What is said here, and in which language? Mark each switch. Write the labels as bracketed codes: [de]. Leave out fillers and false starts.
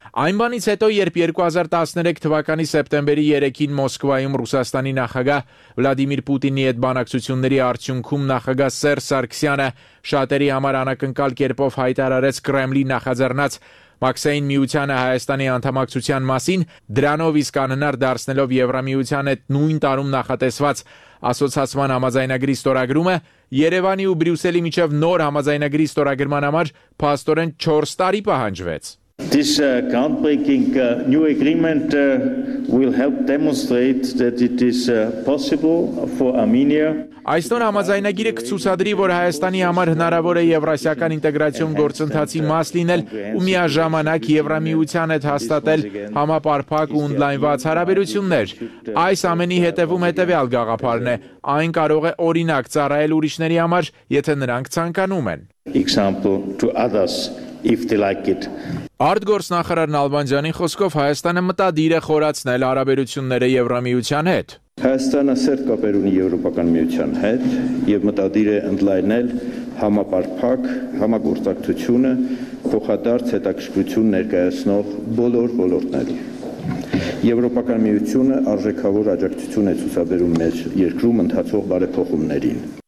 [hy] Այն բանից հետո, երբ 2013 թվականի սեպտեմբերի 3-ին Մոսկվայում Ռուսաստանի նախագահ Վլադիմիր Պուտինի հետ բանակցությունների արդյունքում նախագահ Սերժ Սարգսյանը շատերի համար անակնկալ կերպով հայտարարեց Կրեմլի նախաձեռնած Մաքսային միությանը Հայաստանի անդամակցության մասին, դրանով իսկ անհնար դարձնելով Եվրամիության հետ նույն տարում նախատեսված ասոցացման համաձայնագրի ստորագրումը, Երևանի ու Բրյուսելի միջև նոր համաձայնագրի ստորագրման համար փաստորեն 4 տարի պահանջվեց։ [en] This groundbreaking new agreement will help demonstrate that it is possible for Armenia. [hy] Այս նոր համաձայնագիրը կցուցադրի, որ Հայաստանի համար հնարավոր է եվրասիական ինտեգրացիոն գործընթացի մաս լինել ու միաժամանակ Եվրամիության հետ հաստատել համապարփակ ու ընդլայնված հարաբերություններ։ Այս ամենի հետևում հետևյալ գաղափարն է. այն կարող է օրինակ ծառայել ուրիշների համար, եթե նրանք ցանկանում են։ [en] Example to others if they like it. [hy] Արտգործնախարար Նալբանդյանի խոսքով Հայաստանը մտադիր է խորացնել հարաբերությունները Եվրամիության հետ։ Հայաստանը սերտ կապեր ունի Եվրոպական միության հետ եւ մտադիր է ընդլայնել համապարփակ համագործակցությունը փոխադարձ հետաքրքրություն ներկայացնող բոլոր ոլորտների։ Եվրոպական միությունը արժեքավոր աջակցություն է ցուցաբերում մեր երկրում ընթացող բարեփոխումներին։